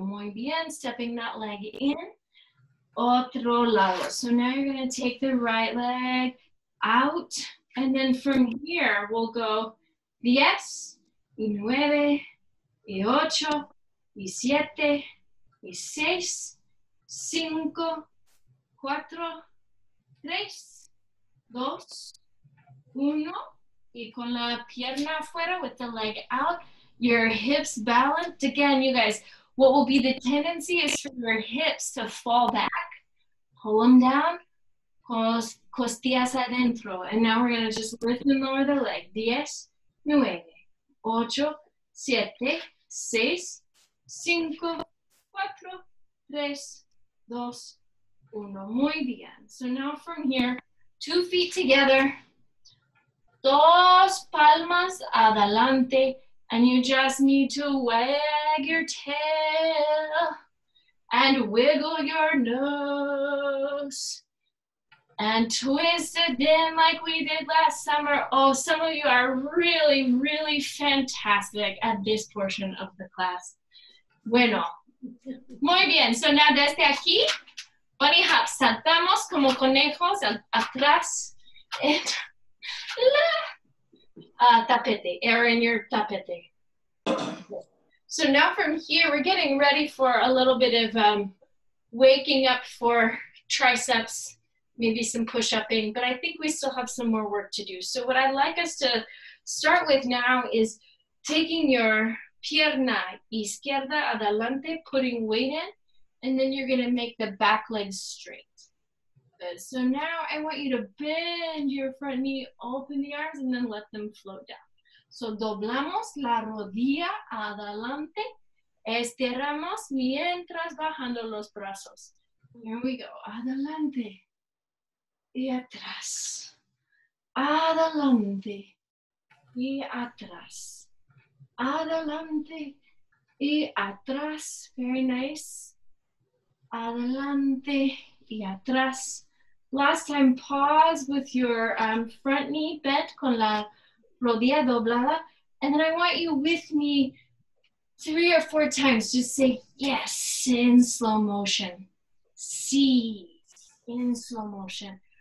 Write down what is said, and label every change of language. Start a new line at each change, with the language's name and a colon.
Spanish: Muy bien.
English: Stepping that leg in.
Spanish: Otro lado.
English: So now you're going to take the right leg out. And then from here, we'll go
Spanish: diez, y nueve, y ocho, y siete, y seis, cinco, cuatro, tres, dos, uno. Y con la pierna afuera,
English: with the leg out, your hips balanced. Again, you guys, what will be the tendency is for your hips to fall back. Pull them down.
Spanish: Costillas adentro.
English: And now we're going to just lift and lower the leg.
Spanish: Diez, nueve, ocho, siete, seis, cinco, cuatro, tres, dos, uno. Muy bien.
English: So now from here, 2 feet together,
Spanish: dos palmas adelante,
English: and you just need to wag your tail. And wiggle your nose. And twist it in like we did last summer. Oh, some of you are really, really fantastic at this portion of the class.
Spanish: Bueno. Muy bien.
English: So now
Spanish: desde aquí,
English: bunny hop,
Spanish: saltamos como conejos atrás.
English: And la tapete. Air in your tapete. So now from here, we're getting ready for a little bit of waking up for triceps, maybe some push-upping, but I think we still have some more work to do. So what I'd like us to start with now is taking your
Spanish: pierna izquierda adelante,
English: putting weight in, and then you're gonna make the back leg straight. Good. So now I want you to bend your front knee, open the arms, and then let them float down.
Spanish: So doblamos la rodilla adelante, estiramos mientras bajando los brazos.
English: Here we go,
Spanish: adelante y atrás, adelante y atrás, adelante y atrás.
English: Very nice,
Spanish: adelante y atrás.
English: Last time, pause with your front knee bent
Spanish: con la rodilla doblada,
English: and then I want you with me 3 or 4 times. Just say yes in slow motion. Sí, in slow motion.